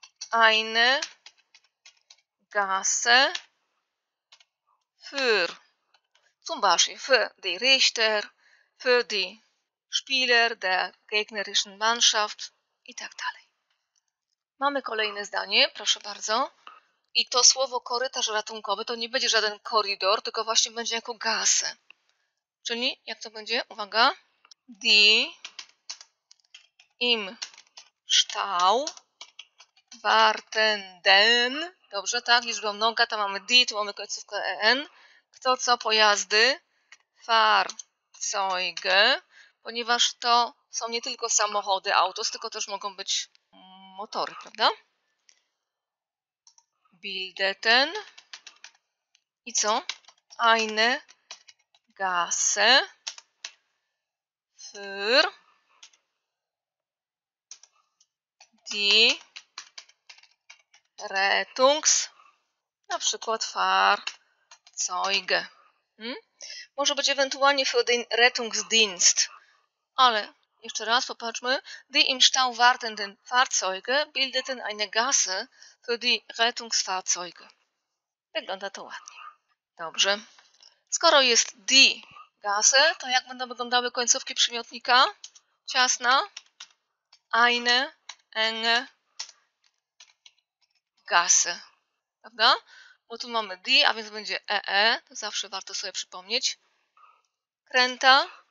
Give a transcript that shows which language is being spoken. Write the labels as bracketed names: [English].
[German] eine Gasse für, zum Beispiel für die Richter, für die Spieler der gegnerischen Mannschaft [Polish] i tak dalej. Mamy kolejne zdanie, proszę bardzo. I to słowo korytarz ratunkowy to nie będzie żaden koridor, tylko właśnie będzie jako Gasse. Czyli jak to będzie? Uwaga. [German] Die im Stau wartenden. [Polish] Dobrze, tak? Liczba mnoga, tam mamy die, tu mamy końcówkę en. Kto, co, pojazdy. Fahrzeuge. Ponieważ to są nie tylko samochody, autos, tylko też mogą być motory, prawda? Bildeten. I co? [German] Eine Gasse für die Rettungs, [Polish] na przykład [German] Fahrzeuge. [Polish] Może być ewentualnie [German] für den Rettungsdienst, [Polish] ale jeszcze raz popatrzmy. [German] Die im Stau wartenden Fahrzeuge bildeten eine Gasse für die Rettungsfahrzeuge. [Polish] Wygląda to ładnie. Dobrze. Skoro jest die Gasse, to jak będą wyglądały końcówki przymiotnika? Ciasna. [German] Eine, enge, Gasse. [Polish] Prawda? Bo tu mamy die, a więc będzie ee. To zawsze warto sobie przypomnieć. Kręta.